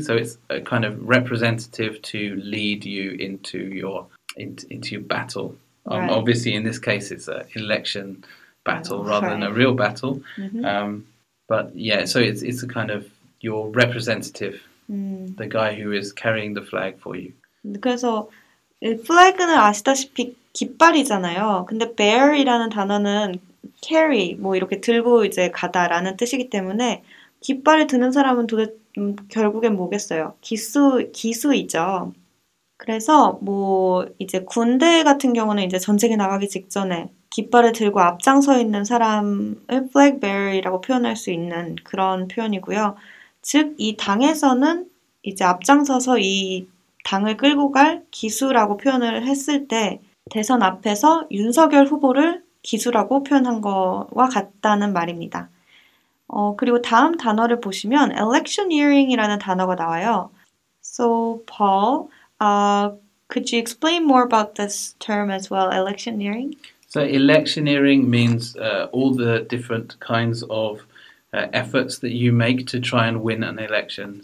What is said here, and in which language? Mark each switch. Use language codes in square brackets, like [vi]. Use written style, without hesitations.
[en] So it's a kind of representative to lead you into your battle. Right. Obviously, in this case, it's an election battle rather than a real battle. Mm-hmm. But yeah, so it's a kind of your representative, the guy who is carrying the flag for you. [ko] 그래서 flag는 아시다시피 깃발이잖아요. 근데 bear이라는 단어는 carry 뭐 이렇게 들고 이제 가다라는 뜻이기 때문에 깃발을 드는 사람은 결국엔 뭐겠어요? 기수이죠. 그래서 뭐 이제 군대 같은 경우는 이제 전쟁에 나가기 직전에 깃발을 들고 앞장서 있는 사람을 flag bearer이라고 표현할 수 있는 그런 표현이고요. 즉 이 당에서는 이제 앞장서서 이 당을 끌고 갈 기수라고 표현을 했을 때 대선 앞에서 윤석열 후보를 기수라고 표현한 것과 같다는 말입니다. 그리고 다음 단어를 보시면 electioneering이라는 단어가 나와요. [en] So Paul, could you explain more about this term as well, electioneering? So electioneering means all the different kinds of efforts that you make to try and win an election.